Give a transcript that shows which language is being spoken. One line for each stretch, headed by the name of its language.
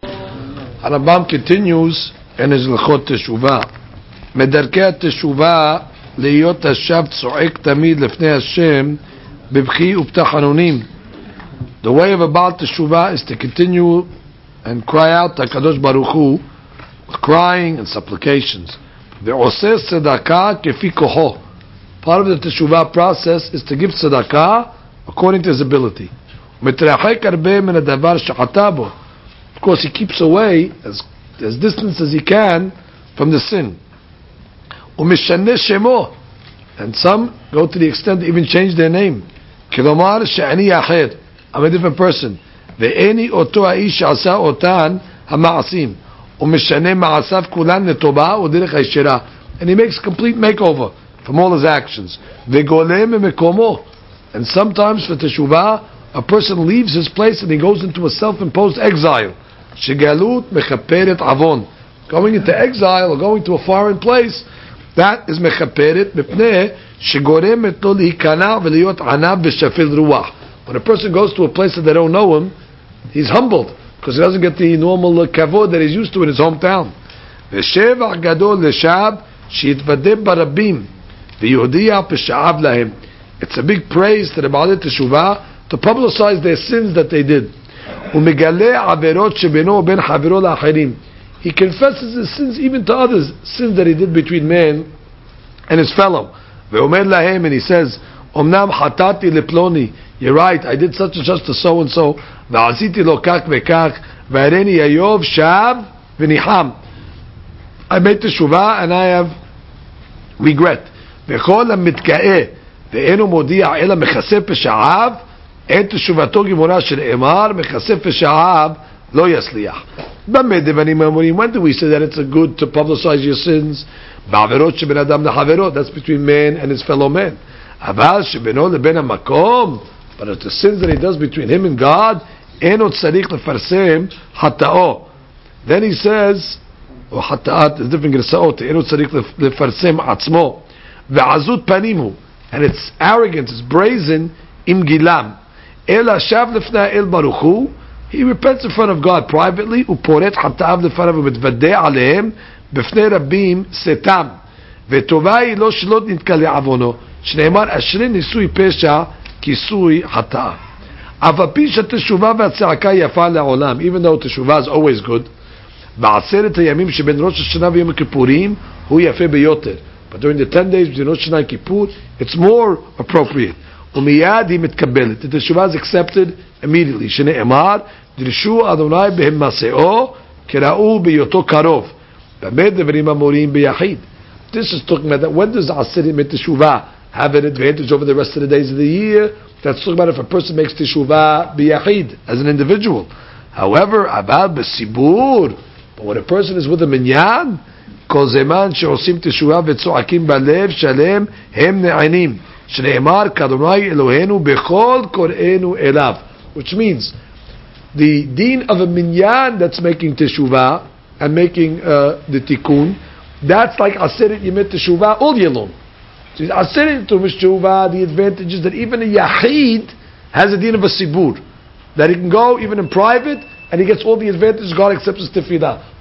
English: הרמב״ם continues in his לכות תשובה.
Hebrew: מדרכי התשובה להיות השב צועק תמיד לפני השם בבכי ובתחנונים.
English: The way of a בעל תשובה is to continue and cry out to הקדוש ברוך הוא with crying and supplications.
Hebrew: ועושה צדקה כפי כוחו.
English: Part of the תשובה process is to give צדקה according to his ability.
Hebrew: מתרחק הרבה מן הדבר שחטא בו.
English: Of course, he keeps away as distance as he can from the sin.
Hebrew: ומשנה שמו.
English: And some go to the extent to even change their name.
Hebrew: כלומר שאני אחר.
English: I'm a different person.
Hebrew: ואיני אותו האיש שעשה אותן המעשים. ומשנה מעשיו כולן לטובה ודרך הישרה.
English: And he makes complete makeover from all his actions.
Hebrew: וגולה ממקומו.
English: And sometimes for teshuva, a person leaves his place and he goes into a self-imposed exile.
Hebrew: שגלות מכפרת עוון.
English: Going into exile or going to a foreign place, that is
Hebrew: מכפרת מפני שגורמת לו להיכנע ולהיות ענב ושפל רוח.
English: When a person goes to a place that they don't know him, he's humbled because he doesn't get the normal כבוד that he's used to in his hometown.
Hebrew: ושבח גדול לשב שיתוודה ברבים ויהודיע פשעיו להם.
English: It's a big praise to the בעלי תשובה to publicize their sins that they did.
Hebrew: ומגלה עבירות שבינו ובין חברו לאחרים.
English: He confesses his sins even to others, sins that he did between man and his fellow.
Hebrew: ואומר להם,
English: and he says,
Hebrew: אמנם חטאתי לפלוני.
English: You're right, I did such and such to so and so.
Hebrew: ועשיתי לו כך וכך, והרני איוב שב וניחם.
English: I made תשובה and I have regret.
Hebrew: וכל המתגאה ואינו מודיע אלא מכסה פשעיו, אין תשובתו גמורה של אמר, מכסה פשעיו לא יסליח.
English: When do we say that it's a good to publicize your sins?
Hebrew: בעבירות שבין אדם לחברות,
English: that's between man and his fellow man.
Hebrew: אבל שבינו לבין המקום,
English: but it's the sins that he does between him and God,
Hebrew: אין עוד צריך לפרסם חטאו.
English: Then he says,
Hebrew: או חטאת,
English: it's different
Hebrew: גרסאות, אין עוד צריך לפרסם עצמו. ועזות פנים הוא,
English: and it's arrogant, it's brazen,
Hebrew: עם גילם. אלא שב לפני האל ברוך הוא,
English: he repents in front of God privately,
Hebrew: ופורט חטאיו לפניו ומתוודה עליהם בפני רבים סתם. וטובה היא לא שלא נתקלע עוונו, שנאמר אשרי נישואי פשע כיסוי חטאה. אף על פי שהתשובה והצעקה יפה לעולם,
English: even though תשובה is always good,
Hebrew: בעשרת הימים שבין ראש השנה ויום הכיפורים הוא יפה ביותר.
English: But during the 10 days between ראש השנה וכיפור, it's more appropriate.
Hebrew: ומיד היא מתקבלת.
English: The תשובה is accepted immediately.
Hebrew: שנאמר, דרשו אדוני בהמסעו, כראו ביותו קרוב. באמת דברים אמורים ביחיד.
English: This is talking about that when does עשרת ימי תשובה have an advantage over the rest of the days of the year? That's talking about if a person makes תשובה ביחיד, as an individual.
Hebrew: However, אבל בסיבור,
English: but when a person is with a
Hebrew: מניין, כל זמן שעושים תשובה וצועקים בלב שלם, הם נענים. שנאמר כדומי אלוהינו בכל קוראינו אליו,
English: which means the deen of a minyan that's making teshuva and making the tikkun, that's like aseret yemei teshuva all year long. So aseret teshuva, the advantage is that even a yachid has a deen of a sibur that he can go even in private and he gets all the advantages God accepts his tefillah.